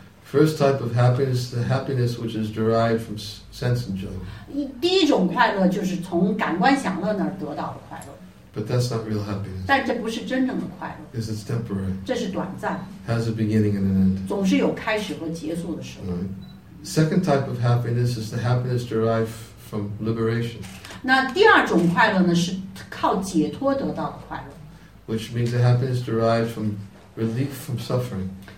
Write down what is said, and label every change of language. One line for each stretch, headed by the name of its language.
English: First type of happiness, the happiness which is derived from sense enjoyment.
Chinese: 第一种快乐就是从感官享乐那儿得到的快乐。
English: But that's not real happiness.
Chinese: 但这不是真正的快乐。
English: Because it's temporary.
Chinese: 这是短暂。
English: Has a beginning and an end.
Chinese: 总是有开始和结束的时候。
English: Right. Second type of happiness is the happiness derived from liberation.
Chinese: 那第二种快乐呢，是靠解脱得到的快乐。
English: Which means the happiness derived from relief from suffering.